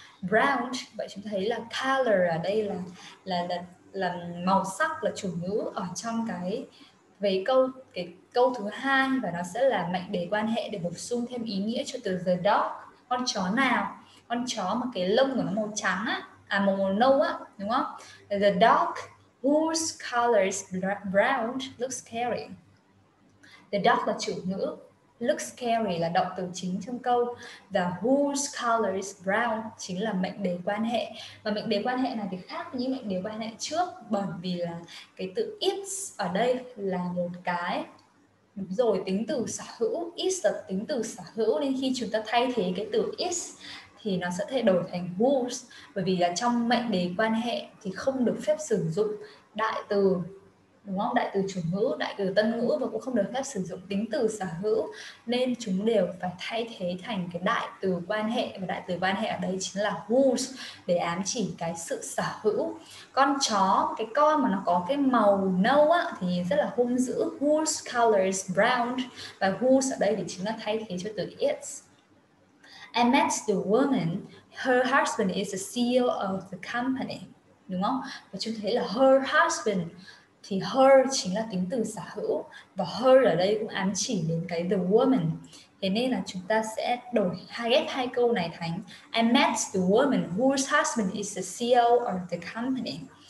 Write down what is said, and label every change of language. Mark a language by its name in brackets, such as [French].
[Vietnamese] Brown, vậy chúng ta thấy là color ở đây là màu sắc, là chủ ngữ ở trong cái về câu, cái câu thứ hai, và nó sẽ là mệnh đề quan hệ để bổ sung thêm ý nghĩa cho từ the dog, con chó nào, con chó mà cái lông của nó màu trắng á, à màu nâu á, đúng không? [English] The dog whose color is brown looks scary. [Vietnamese] The dog là chủ ngữ, looks scary là động từ chính trong câu, và [English] whose color is brown [Vietnamese] chính là mệnh đề quan hệ. Và mệnh đề quan hệ này thì khác với những mệnh đề quan hệ trước, bởi vì là cái từ its ở đây là một cái, đúng rồi, tính từ sở hữu, its là tính từ sở hữu, nên khi chúng ta thay thế cái từ its thì nó sẽ thay đổi thành whose, bởi vì là trong mệnh đề quan hệ thì không được phép sử dụng đại từ, đúng không? Đại từ chủ ngữ, đại từ tân ngữ, và cũng không được phép sử dụng tính từ sở hữu, nên chúng đều phải thay thế thành cái đại từ quan hệ. Và đại từ quan hệ ở đây chính là whose, để ám chỉ cái sự sở hữu. Con chó, cái con mà nó có cái màu nâu á, thì rất là hung dữ. [English] Whose color is brown? [Vietnamese] Và whose ở đây thì chính là thay thế cho từ its. [English] I met the woman, her husband is the CEO of the company, [Vietnamese] đúng không? Và chúng thấy là her husband, thì her chính là tính từ sở hữu, và her ở đây cũng ám chỉ đến cái the woman. Thế nên là chúng ta sẽ đổi hai, ghép hai câu này thành [English] I met the woman whose husband is the CEO of the company.